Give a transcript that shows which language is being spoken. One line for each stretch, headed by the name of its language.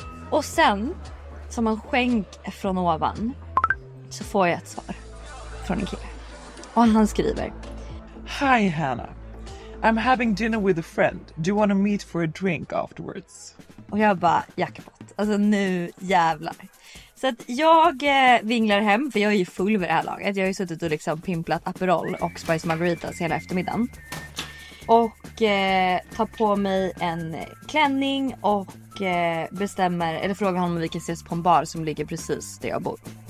Swedish: Och sen som en skänk från ovan så får jag ett svar från en kille. Och han skriver:
English: Hi Hannah, I'm having dinner with a friend. Do you want to meet for a drink afterwards?
Swedish: Och jag bara, jackpot. Alltså nu jävlar. Så att jag vinglar hem, för jag är ju full vid det här laget. Jag har ju suttit och liksom pimplat Aperol och Spice Margaritas hela eftermiddagen. Och tar på mig en klänning och bestämmer, eller frågar honom om vi kan ses på en bar som ligger precis där jag bor.